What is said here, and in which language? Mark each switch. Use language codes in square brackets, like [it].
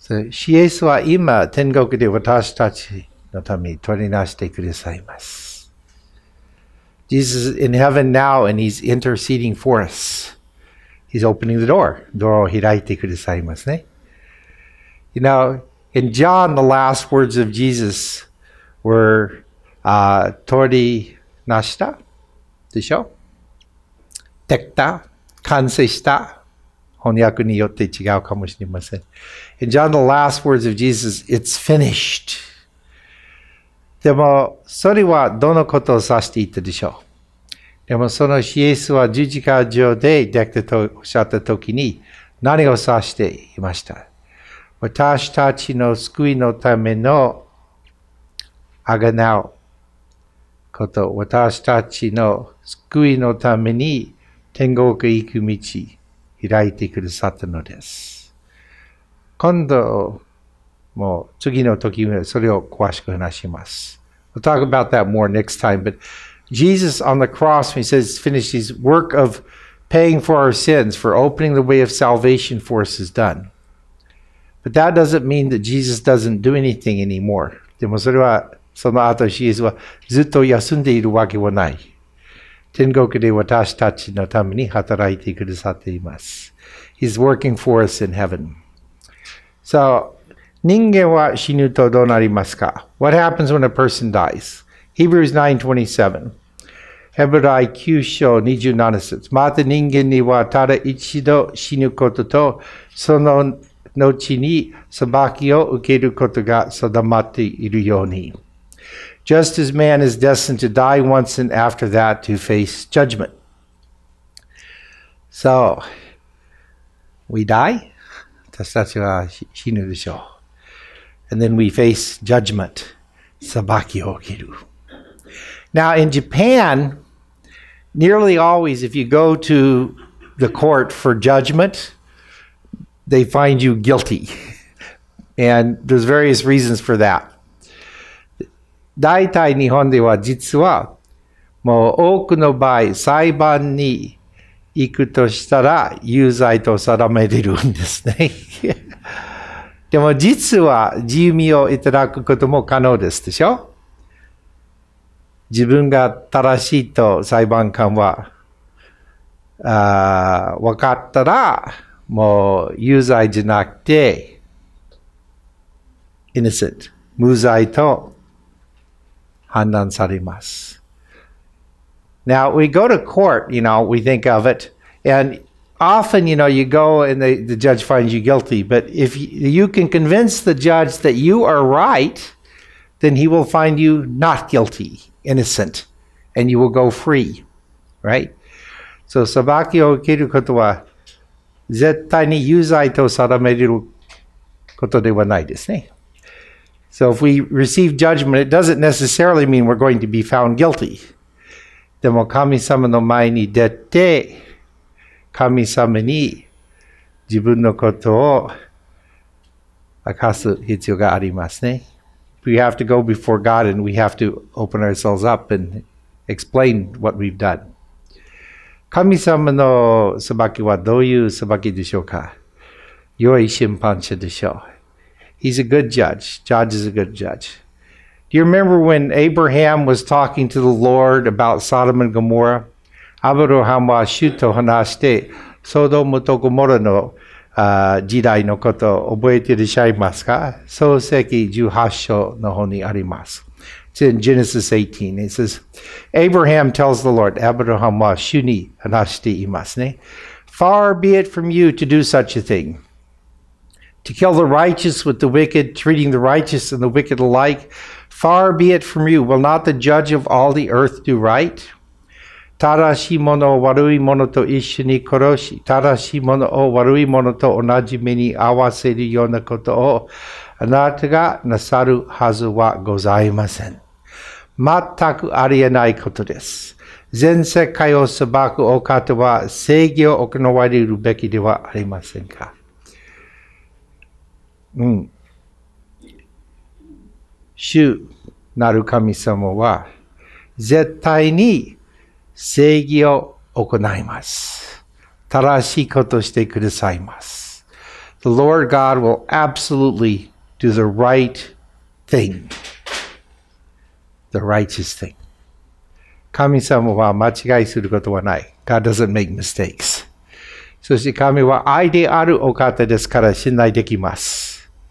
[ja] シエスは今天国で私たちのために取りなしてくださいます。 [en] Jesus is in heaven now and he's interceding for us. He's opening the door. [ja] ドアを開いてくださいますね。 [en] You know, in John, the last words of Jesus were, [ja] 取りなしたでしょ?できた、完成した。翻訳によって違うかもしれません。 [en] In John, the last words of Jesus, it's finished. [ja] でも、それはどのことを指していたでしょう? でもそのイエスは十字架上でできたとおっしゃったときに何を指していました？私たちの救いのための贖うこと、私たちの救いのために天国へ行く道開いてくださったのです。今度もう次の時にそれを詳しく話します。 [en] We'll talk about that more next time, but Jesus on the cross, he says, finished his work of paying for our sins, for opening the way of salvation for us, is done. But that doesn't mean that Jesus doesn't do anything anymore. [ja] でもそれはその後イエスはずっと休んでいるわけはない。天国で私たちのために働いてくださっています。 [en] He's working for us in heaven. [ja] So, 人間は死ぬとどうなりますか? [en] What happens when a person dies? Hebrews 9:27 Hebrews 9:27. [ja] また人間にはただ一度死ぬことと、その後に裁きを受けることが定まっているように。 [en] Just as man is destined to die once and after that to face judgment. So, we die, [ja] 私たちは死ぬでしょう。 [en] And then we face judgment, [ja] 裁きを受ける。 [en] Now, in Japan, nearly always if you go to the court for judgment, they find you guilty. And there's various reasons for that. [ja] 大体日本では実はもう多くの場合裁判に行くとしたら有罪と定めているんですね。でも実は自由身をいただくことも可能ですでしょ。自分が正しいと裁判官は分かったらもう有罪じゃなくて innocent 無罪と判断されます。 [en] Now, we go to court, you know, we think of it, and often, you know, you go and the judge finds you guilty, but if you can convince the judge that you are right, then he will find you not guilty, innocent, and you will go free, right? [ja] So, 裁きを受けることは絶対に有罪と定めることではないですね。 [en] So if we receive judgment, it doesn't necessarily mean we're going to be found guilty. [ja] でも神様の前に出て、神様に自分のことを明かす必要がありますね。 [en] We have to go before God and we have to open ourselves up and explain what we've done. [ja] 神様の裁きはどういう裁きでしょうか? 良い審判者でしょう。 [en] He's a good judge. Judge is a good judge. Do you remember when Abraham was talking to the Lord about Sodom and Gomorrah? Abraham was [ja] 主と話して、ソドムとゴモラの時代のこと覚えていらっしゃいますか? 創世記18章の方にあります。 [en] It's in Genesis 18. It says, Abraham tells the Lord, Abraham was [ja] 主に話していますね。 [en] Far be it from you to do such a thing. To kill the righteous with the wicked, treating the righteous and the wicked alike, far be it from you. Will not the judge of all the earth do right? [ja] 正しいものを悪いものと一緒に殺し、正しいものを悪いものと同じ目に合わせるようなことをあなたがなさるはずはございません。全くありえないことです。全世界を裁くお方は正義を行われるべきではありませんか? 主なる神様は絶対に正義を行います。正しいことをしてくださいます。 [en] The Lord God will absolutely do the right thing. The righteous thing. [ja] 神様は間違いすることはない。 [en] God doesn't make mistakes. [ja] そして神は愛であるお方ですから信頼できます。